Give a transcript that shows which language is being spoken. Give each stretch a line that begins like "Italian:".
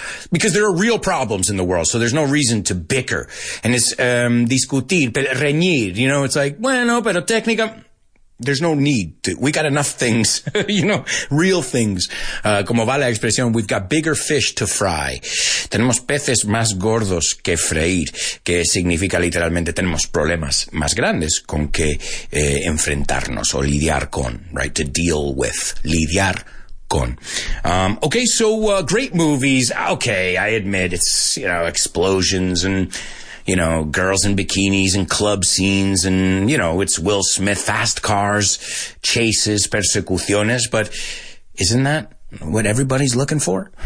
English: because there are real problems in the world, so there's no reason to bicker. And it's,
Spanish: discutir, pero reñir,
English: you know, it's like,
Spanish: bueno, pero técnica,
English: there's no need to. We got enough things, you know, real things.
Spanish: Como va la expresión,
English: we've got bigger fish to fry.
Spanish: Tenemos peces más gordos que freír, que significa literalmente tenemos problemas más grandes con que enfrentarnos o lidiar con, right?
English: To deal with, lidiar con. Okay, so great movies. Okay, I admit it's, you know, explosions and, you know, girls in bikinis and club scenes and, you know, it's Will Smith, fast cars, chases, persecuciones, but isn't that what everybody's looking for?